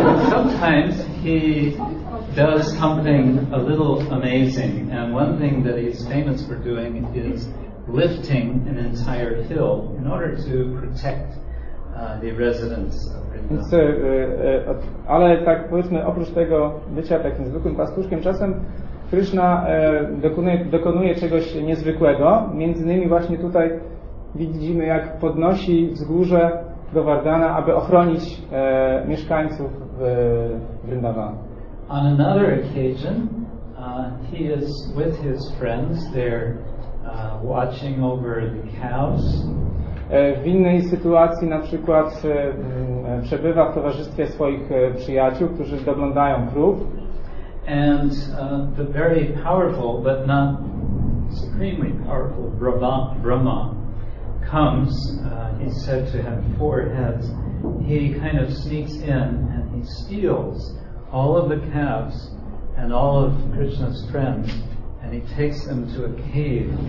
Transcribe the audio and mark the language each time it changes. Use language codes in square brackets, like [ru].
[en] Sometimes he does something a little amazing, and one thing that he's famous for doing is lifting an entire hill in order to protect the residents of Vrindavan. [pl] Więc, ale tak powiedzmy, oprócz tego bycia takim zwykłym pastuszkiem, czasem Krishna dokonuje czegoś niezwykłego. Między innymi właśnie tutaj widzimy, jak podnosi wzgórze Govardhana, aby ochronić mieszkańców Vrindavana. [en] On another occasion, he is with his friends. They're watching over the cows. [pl] W innej sytuacji, na przykład, przebywa w towarzystwie swoich przyjaciół, którzy doglądają krów. [en] And the very powerful, but not supremely powerful, Brahma comes. He's said to have four heads. He kind of sneaks in and he steals all of the calves and all of Krishna's friends, and he takes them to a cave.